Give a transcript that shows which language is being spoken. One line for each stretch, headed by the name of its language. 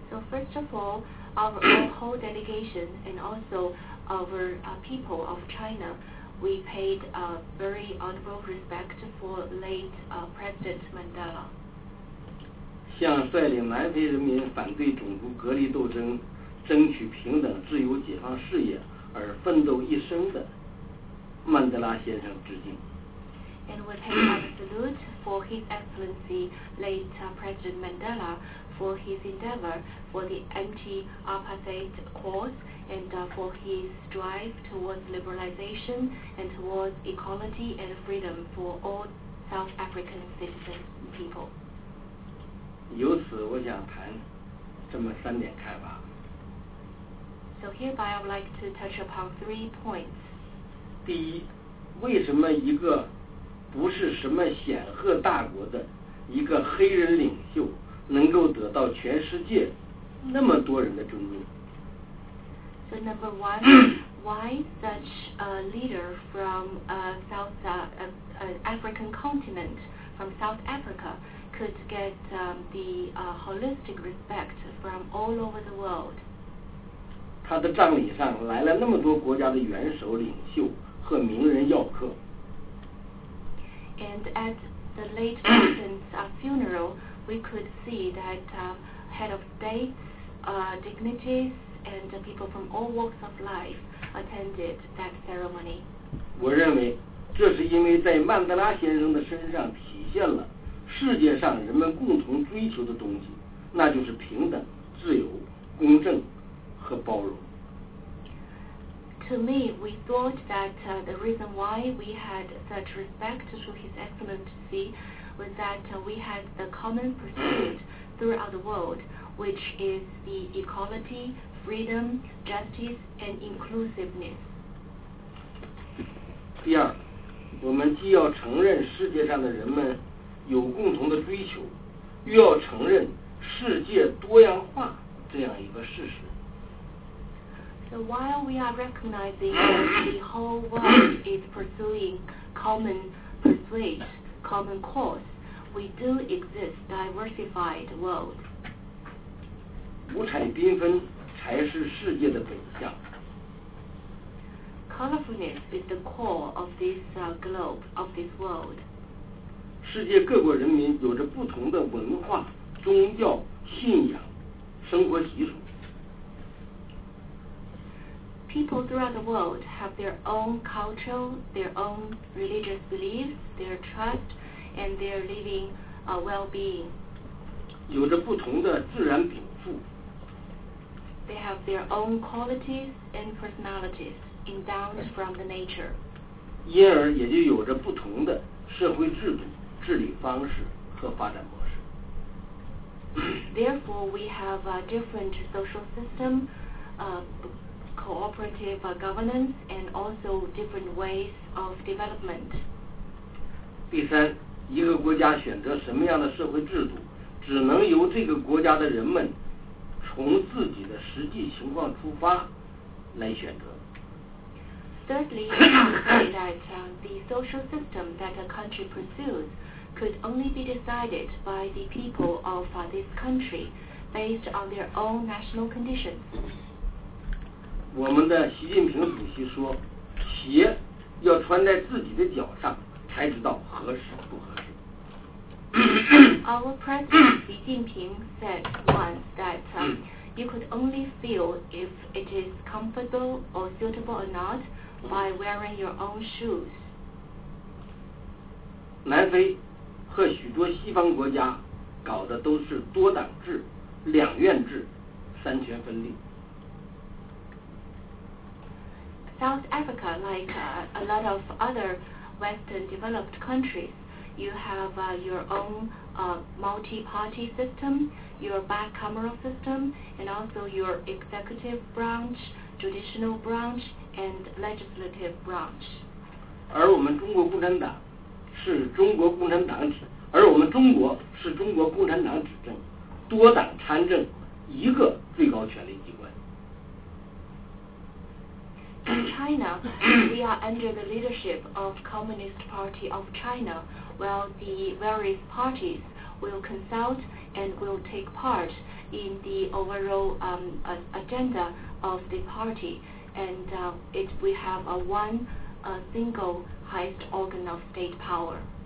English: first of all, our whole delegation and also our people of China, we paid a very honorable respect for late President Mandela.
Chinese: 向率领南非人民反对种族隔离斗争。争取平等、自由、解放事业而奋斗一生的曼德拉先生致敬。
English: And we pay our salute for His Excellency late President Mandela for his endeavor for the anti-apartheid cause and for his drive towards liberalization and towards equality and freedom for all South African citizens and people.
Chinese: 由此我想谈这么三点看法。
English: So hereby I would like to touch upon three points.
Chinese: 第一，为什么一个不是什么显赫大国的一个黑人领袖能够得到全世界那么多人的尊重？
English: So number one, why such a leader from a South African continent, from South Africa, could get the holistic respect from all over the world?
Chinese: 他的葬礼上来了那么多国家的元首、领袖和名人要客。
English: And at the late president's funeral, we could see that head of states, dignitaries, and people from all walks of life attended that ceremony.
Chinese: 我认为这是因为在曼德拉先生的身上体现了世界上人们共同追求的东西，那就是平等、自由、公正和包容。
English: To me, we thought that the reason why we had such respect to His Excellency was that we had the common pursuit throughout the world, which is the equality, freedom, justice, and inclusiveness.
Chinese: 第二，我们既要承认世界上的人们有共同的追求，又要承认世界多样化这样一个事实。
English: So while we are recognizing that the whole world is pursuing common pursuit, common cause, we do exist diversified world.
Chinese: 五彩缤纷才是世界的本相。
English: Colorfulness is the core of this globe, of this world.
Chinese: 世界各国人民有着不同的文化、宗教、信仰、生活习俗。
English: People throughout the world have their own culture, their own religious beliefs, their trust, and their living well-being.
Chinese: 有着不同的自然禀赋。
English: They have their own qualities and personalities endowed from the nature.
Chinese: 因而也就有着不同的社会制度、治理方式和发展模式。
English: Therefore, we have a different social system, cooperative governance and also different ways of development.
Chinese: 第三，一个国家选择什么样的社会制度，只能由这个国家的人们从自己的实际情况出发来选择。
English: Thirdly, we can say that the social system that a country pursues could only be decided by the people of this country based on their own national conditions.
Chinese: 我们的习近平主席说，鞋要穿在自己的脚上才知道合适不合适。
English: Our President Xi Jinping said once that you could only feel if it is comfortable or suitable or not by wearing your own shoes.
Chinese: 南非和许多西方国家搞的都是多党制、两院制、三权分立。
English: South Africa, like a lot of other Western developed countries, you have your own multi-party system, your bicameral system, and also your executive branch, judicial branch, and legislative branch.
Chinese: 而我们中国共产党是中国共产党执，而我们中国是中国共产党执政，多党参政，一个最高权力机关。
English: In China, we are under the leadership of Communist Party of China, while the various parties will consult and will take part in the overall agenda of the party, and we have a one single highest organ of state power.